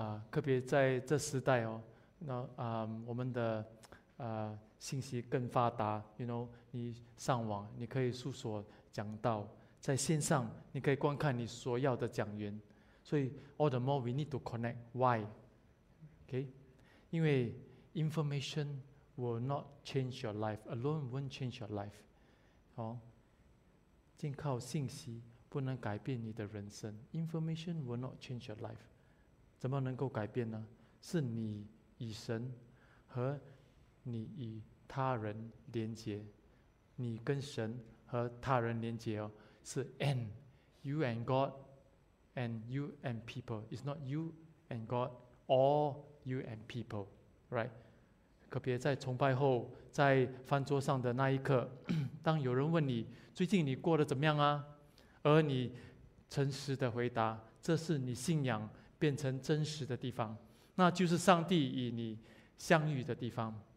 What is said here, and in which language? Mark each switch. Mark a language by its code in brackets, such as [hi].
[zh] 特别在这时代我们的信息更发达，你上网你可以诉说讲道，在线上你可以观看你所要的讲员，所以 [en] all the more we need to connect. Why? Okay? [zh] 因为 [en] information will not change your life alone, won't change your life. [zh] 仅靠信息不能改变你的人生， [en] information will not change your life. [zh] 怎么能够改变呢？是你与神和你与他人连接，你跟神和他人连接是 [en] and you and God and you and people. It's not you and God or you and people, right? [zh] 可别在崇拜后，在饭桌上的那一刻，当有人问你最近你过得怎么样啊，而你诚实的回答，这是你信仰变成真实的地方，那就是上帝与你相遇的地方。